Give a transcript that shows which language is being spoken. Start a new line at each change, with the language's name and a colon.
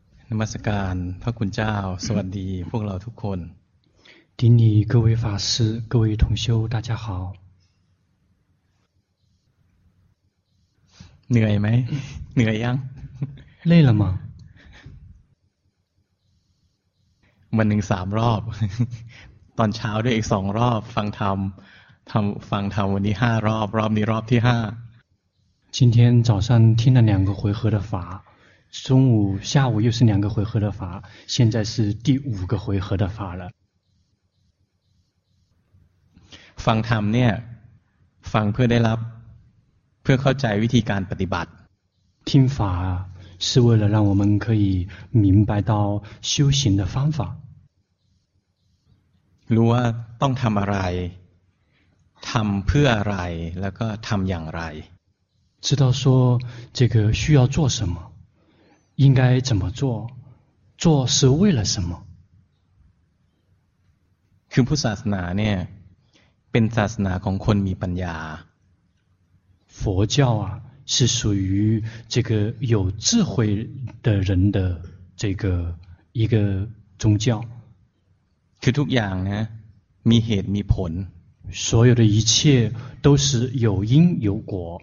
Thai: นมัสการพระคุณเจ้าสวัสดีพวกเราทุกคน ที่นี่
Chinese: 各位法师各位同修大家好
Thai: เหนื่อยไหมเหนื่อยยัง
Chinese: 累了吗
Thai: วันหนึ่งสามรอบตอนเช้าด้วยอีกสองรอบฟังธรรมฟังธรรมวันนี้ห้ารอบรอบนี้รอบที่ห้า
Chinese: 今天早上听了两个回合的法中午下午又是两个回合的法现在是第五个回合的法了
Thai: ฟังธรรมเนี่ยฟังเพื่อได้รับเพื่อเข้าใจวิธีการปฏิบัติ
Chinese: 听法是为了让我们可以明白到修行的方法
Thai: รู้ว่าต้องทำอะไรทำเพื่ออะไรแล้วก็ทำอย่างไร
Chinese: 知道说这个需要做什么应该怎么做做是为了什么
Thai: คือพุทธศาสนาเนี่ยเป็นศาสนาของคนมีปัญญา
Chinese: 佛教啊是属于这个有智慧的人的这个一个宗教
Thai: คือทุกอย่างนะมีเหตุมีผล
Chinese: 所有的一切都是有因有果